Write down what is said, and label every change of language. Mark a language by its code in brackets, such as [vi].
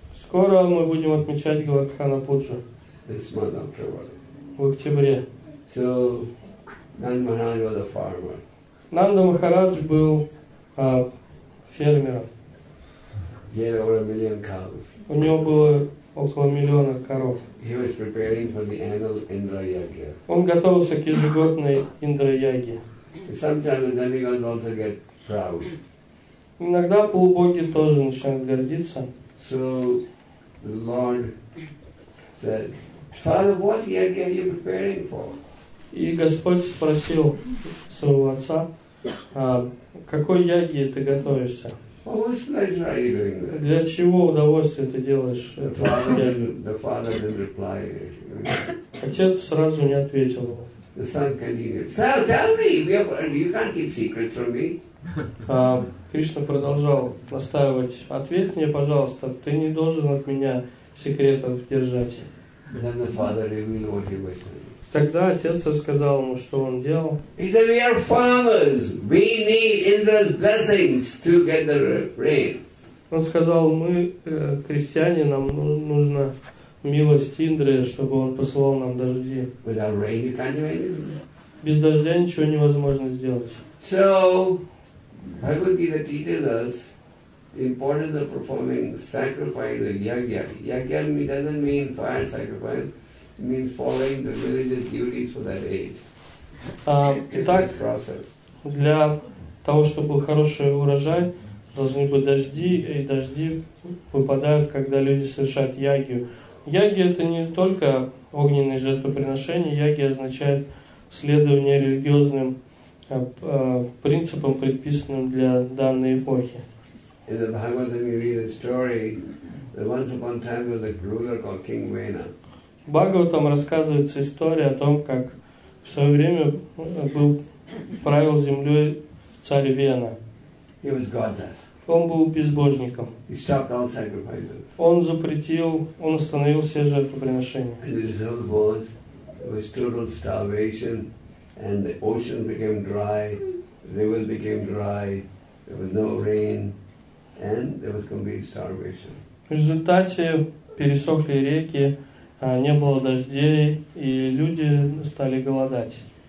[ru] Скоро мы будем отмечать Говардхана Пуджу. [en] This month of October. [ru] В октябре. [en] So Nanda Maharaj was a farmer. [ru] Нанда Махарадж был фермером. [en] Yeah, over a million cows. [ru] У него было около миллиона коров. [en] He was preparing for the annual Indra Yagya. [ru] Он готовился к ежегодной Индра-яге. [en] Sometimes the demigods also get proud. [ru] Иногда полубоги тоже начинают гордиться. [en] So the Lord said, Father, what yet are you preparing for? [ru] И Господь спросил своего отца, какой яги ты готовишься? [en] Well, which pleasure are you doing this? [ru] Для чего удовольствие ты делаешь? [en] The father didn't reply. [ru] Отец сразу не ответил. [en] The son continued, so tell me, you can't keep secrets from me. [ru] Кришна продолжал настаивать, ответь мне, пожалуйста, ты не должен от меня секретов держать. [en] Then the father revealed what he was doing. [ru] Тогда отец рассказал ему, что он делал. [en] He said, we are farmers. We need Indra's blessings to get the rain. [ru] Он сказал, мы крестьяне, нам нужна милость Индры, чтобы он посылал нам дожди. [en] Without rain, you can't do anything. [ru] Без дождя ничего невозможно сделать. [en] So, Bhagavad-gita teaches us the importance of performing sacrifice of yagya. Yagya doesn't mean fire sacrifice. It means following the religious duties for that age. [ru] Итак, process. Для того, чтобы был хороший урожай, должны быть дожди, и дожди выпадают, когда люди совершают ягью. Ягья — это не только огненные жертвоприношения, ягья означает следование религиозным принципам, предписанным для данной эпохи. [en] In the Bhagavatam you read a story that once upon a time there was a ruler called King Vena. [ru] В Бхагаватам рассказывается история о том, как в свое время был правил землей царь Вена. [en] He was godless. [ru] Он был безбожником. [en] He stopped all sacrifices. [ru] Он запретил, он остановил все жертвоприношения. [en] And the result was, there was total starvation, and the ocean became dry, rivers became dry, there was no rain, and there was complete starvation. [ru] В результате пересохли реки, не было дождей, и люди стали голодать.